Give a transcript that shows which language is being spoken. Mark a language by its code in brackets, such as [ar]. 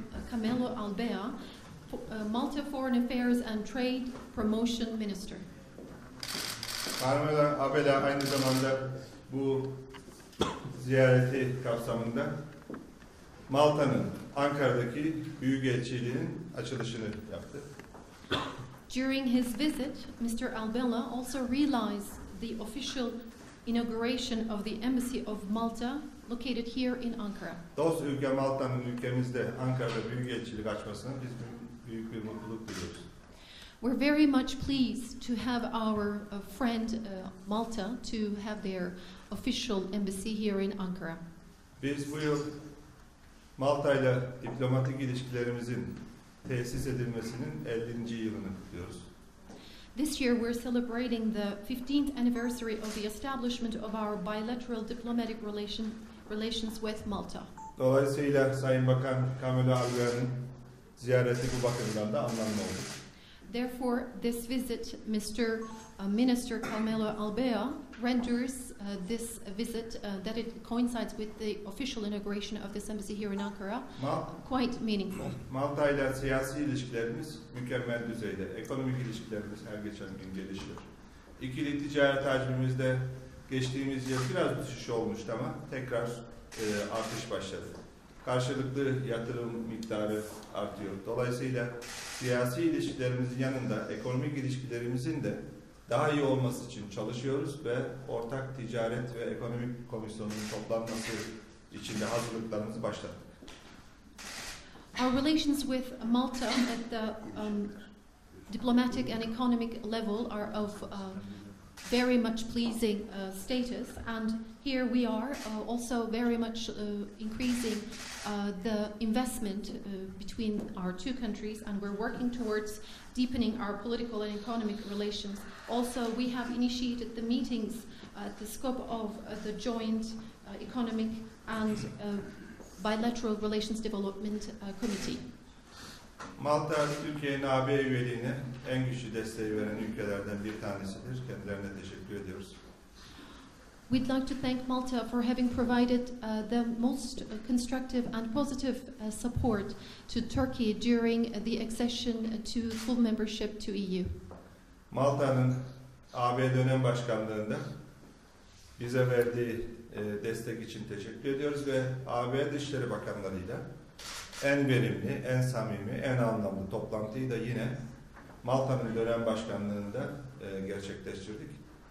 [en] Carmelo Abella, Malta Foreign Affairs and Trade Promotion Minister. [tr] Carmelo Abella aynı zamanda bu ziyareti kapsamında Malta'nın Ankara'daki büyükelçiliğinin açılışını yaptı. [en] During his visit, Mr. Abella also realized the official inauguration of the embassy of Malta located here in Ankara. [tr] Dost ülke Malta'nın ülkemizde Ankara'da büyükelçilik açmasına biz büyük bir mutluluk duyuyoruz. [en] We're very much pleased to have our friend Malta to have their official embassy here in Ankara. [tr] Biz bu yıl Malta'yla diplomatik ilişkilerimizin tesis edilmesinin 50. yılını kutluyoruz. [en] This year we're celebrating the 15th anniversary of the establishment of our bilateral diplomatic relations with Malta. [tr] Dolayısıyla Sayın Bakan Carmelo Abella'nın ziyareti bu bakımdan da anlamlı oldu. [en] Therefore, this visit, Mr. Minister Carmelo Abella, renders this visit that it coincides with the official inauguration of this embassy here in Ankara quite meaningful. [tr] Malta ile siyasi ilişkilerimiz mükemmel düzeyde. Ekonomik ilişkilerimiz her geçen gün gelişiyor. İkili ticaret hacmimiz de geçtiğimiz yıl biraz düşüş olmuştu ama tekrar artış başladı. Karşılıklı yatırım miktarı artıyor. Dolayısıyla siyasi ilişkilerimizin yanında ekonomik ilişkilerimizin de daha iyi olması için çalışıyoruz ve ortak ticaret ve ekonomik komisyonunun toplanması için de hazırlıklarımızı başlattık. [en] Our relations with Malta at the diplomatic and economic level are of very much pleasing status, and here we are also very much increasing the investment between our two countries, and we're working towards deepening our political and economic relations. Also, we have initiated the meetings at the scope of the joint economic and bilateral relations development committee. [tr] Malta, Türkiye'nin AB üyeliğine en güçlü desteği veren ülkelerden bir tanesidir. Kendilerine teşekkür ediyoruz. [en] We'd like to thank Malta for having provided the most constructive and positive support to Turkey during the accession to full membership to EU. [tr] Malta'nın AB dönem başkanlığında bize verdiği destek için teşekkür ediyoruz ve AB Dışişleri Bakanlarıyla en verimli, en samimi, en anlamlı toplantıyı da yine Malta'nın dönem başkanlığında gerçekleştirdik.